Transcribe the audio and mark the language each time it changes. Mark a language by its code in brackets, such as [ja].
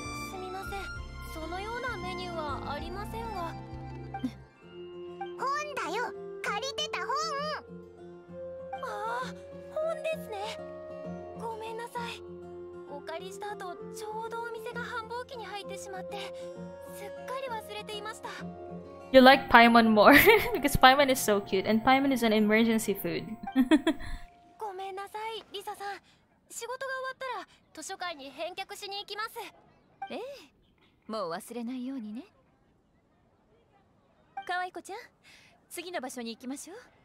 [ja] すみません、そのようなメニューはありませんわ。本だよ、借りてた本。ああ、本ですね。ごめんなさい。お借りした後、ちょうどお店が繁忙期に入ってしまって、すっかり忘れていました。 [en] You like Paimon more because Paimon is so cute and Paimon is an emergency food. [ja] ごめんなさい、リサさん。仕事が終わったら図書館に返却しに行きます。ええ、もう忘れないようにね。かわいこちゃん、次の場所に行きましょう。